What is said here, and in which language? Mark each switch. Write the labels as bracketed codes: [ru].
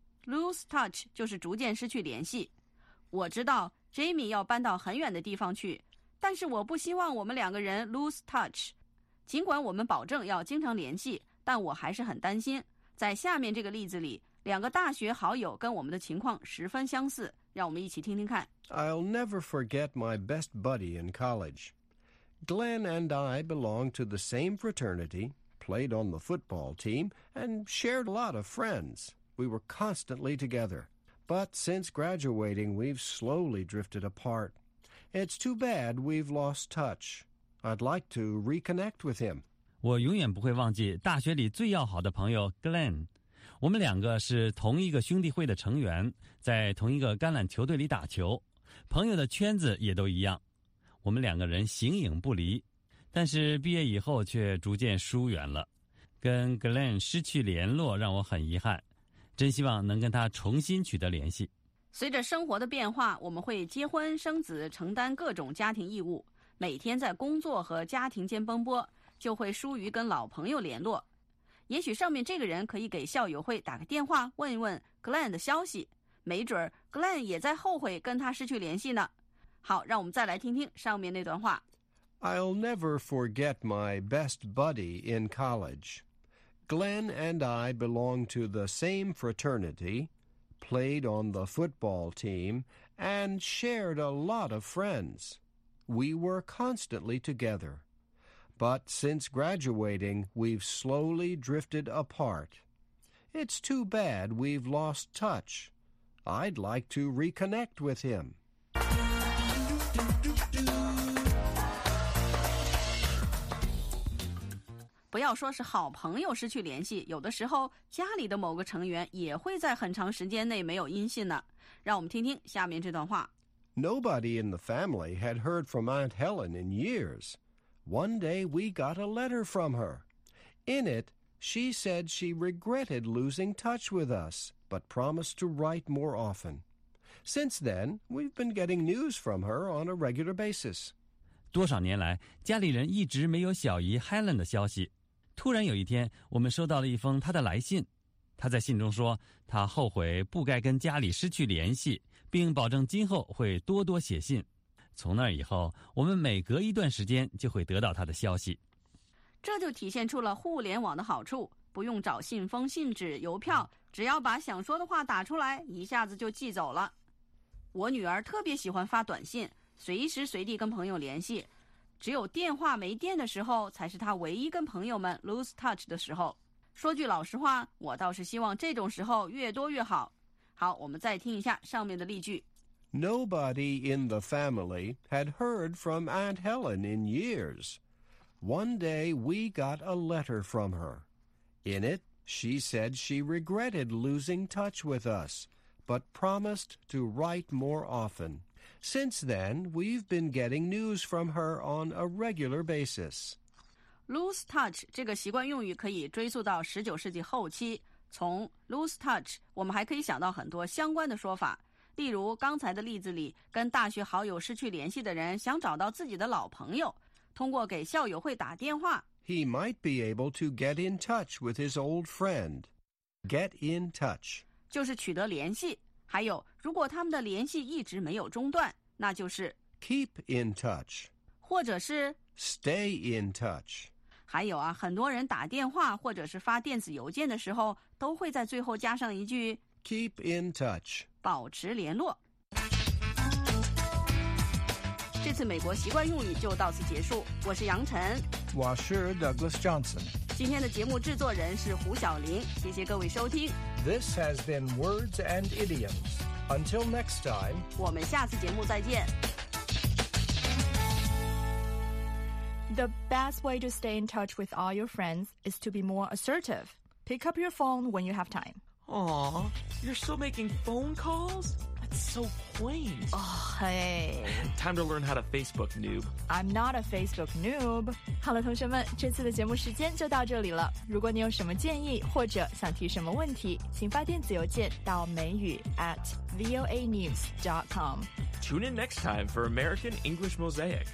[zh] Lose touch 就是逐渐失去联系。我知道 Jamie 要搬到很远的地方去，但是我不希望我们两个人 lose touch。尽管我们保证要经常联系，但我还是很担心。在下面这个例子里，两个大学好友跟我们的情况十分相似，让我们一起听听看。 [en] I'll never forget my best buddy in college. Glenn and I belonged to the same fraternity, played on the football team, and shared a lot of friends. We were constantly together. But since graduating, we've slowly drifted apart. It's too bad we've lost touch. I'd like to reconnect with him. [zh] 我永远不会忘记大学里最要好的朋友 Glenn。我们两个是同一个兄弟会的成员，在同一个橄榄球队里打球，朋友的圈子也都一样，我们两个人形影不离，但是毕业以后却逐渐疏远了，跟 Glenn 失去联络让我很遗憾，真希望能跟他重新取得联系。随着生活的变化，我们会结婚生子，承担各种家庭义务，每天在工作和家庭间奔波，就会疏于跟老朋友联络。也许上面这个人可以给校友会打个电话，问一问 Glenn 的消息，没准 Glenn 也在后悔跟他失去联系呢。好，让我们再来听听上面那段话。 [en] I'll never forget my best buddy in college. Glenn and I belong to the same fraternity, played on the football team, and shared a lot of friends. We were constantly together. But since graduating, we've slowly drifted apart. It's too bad we've lost touch. I'd like to reconnect with him. [zh] 不要说是好朋友失去联系，有的时候家里的某个成员也会在很长时间内没有音信呢。让我们听听下面这段话。 [en] Nobody in the family had heard from Aunt Helen in years. One day we got a letter from her. In it, she said she regretted losing touch with us, but promised to write more often. Since then, we've been getting news from her on a regular basis. [zh] 多少年来，家里人一直没有小姨 Helen 的消息。突然有一天，我们收到了一封她的来信。她在信中说，她后悔不该跟家里失去联系，并保证今后会多多写信。从那以后，我们每隔一段时间就会得到他的消息。这就体现出了互联网的好处，不用找信封、信纸、邮票，只要把想说的话打出来，一下子就寄走了。我女儿特别喜欢发短信，随时随地跟朋友联系，只有电话没电的时候才是她唯一跟朋友们 lose touch 的时候。说句老实话，我倒是希望这种时候越多越好。好，我们再听一下上面的例句。 [en] Nobody in the family had heard from Aunt Helen in years. One day we got a letter from her. In it, she said she regretted losing touch with us, but promised to write more often. Since then, we've been getting news from her on a regular basis. [zh] Lose touch 这个习惯用语可以追溯到十九世纪后期。从 lose touch, 我们还可以想到很多相关的说法。例如刚才的例子里，跟大学好友失去联系的人想找到自己的老朋友，通过给校友会打电话。 [en] He might be able to get in touch with his old friend. Get in touch. [zh] 就是取得联系。还有，如果他们的联系一直没有中断，那就是 [en] Keep in touch. [zh] 或者是 [en] Stay in touch. [zh] 还有啊，很多人打电话或者是发电子邮件的时候，都会在最后加上一句 [en] Keep in touch. [zh] 保持联络。这次美国习惯用语就到此结束。我是杨晨，我是 Douglas Johnson。今天的节目制作人是胡晓玲，谢谢各位收听。 [en] This has been Words and Idioms. Until next time, [zh] 我们下次节目再见。 [en] The best way to stay in touch with all your friends is to be more assertive. Pick up your phone when you have time. Aw, you're still making phone calls? That's so quaint. Oh, hey. Time to learn how to Facebook noob. I'm not a Facebook noob. [zh] 好了，同学们，这次的节目时间就到这里了。如果你有什么建议或者想提什么问题，请发电子邮件到美语@voanews.com. [en] Tune in next time for American English Mosaic.